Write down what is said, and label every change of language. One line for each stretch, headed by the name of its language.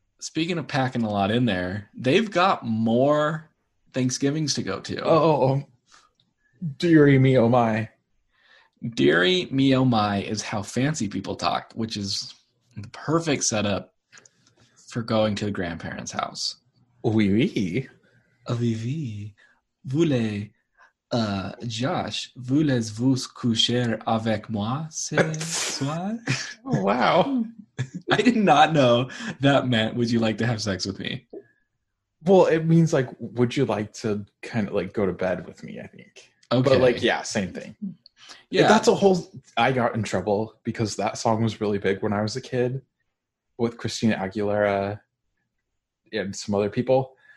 English: Speaking of packing a lot in there, they've got more Thanksgivings to go to. Oh, deary me, oh my. Deary me, oh my is how fancy people talk, which is the perfect setup for going to the grandparents' house.
French: Oui, oui. Oui, oui. Voulez, Josh, voulez-vous coucher avec moi ce soir?
English: Oh, wow. I did not know that meant, would you like to have sex with me? Well, it means like, would you like to kind of like go to bed with me, I think. Okay. But like, yeah, same thing. Yeah. That's a whole, I got in trouble because that song was really big when I was a kid with Christina Aguilera and some other people.